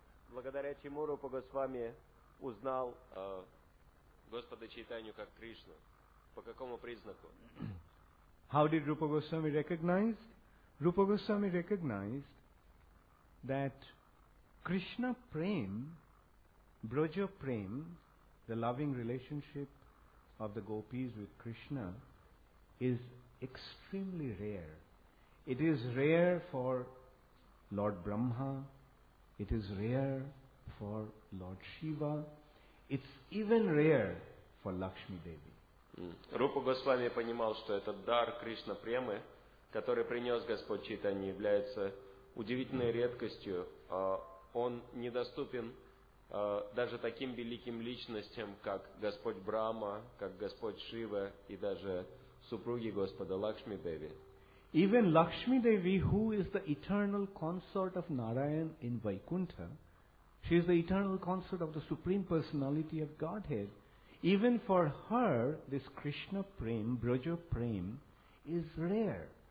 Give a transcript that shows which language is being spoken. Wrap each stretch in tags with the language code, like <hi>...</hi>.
<ru>Благодаря чему Рупа Госвами узнал Господа Чайтанью как Кришну? По какому признаку?</ru> <en>How did Rupa Goswami recognize? Rupa Goswami recognized that Krishna Prem, Braja Prem, the loving relationship of the gopis with Krishna, is extremely rare. It is rare for Lord Brahma. It is rare for Lord Shiva. It's even rare for Lakshmi Devi.</en> <ru>Rupa Goswami понимал, что этот дар Кришна Премы, который принес Господь Чайтанья, является удивительной редкостью. Он недоступен даже таким великим личностям, как Господь Брама, как Господь Шива и даже супруги Господа Лакшми Деви.</ru> <en>Even Lakshmi Devi, who is the eternal consort of Narayan in Vaikuntha, she is the eternal consort of the Supreme Personality of Godhead. Even for her, this Krishna Prem, Braja Prem, is rare.</en>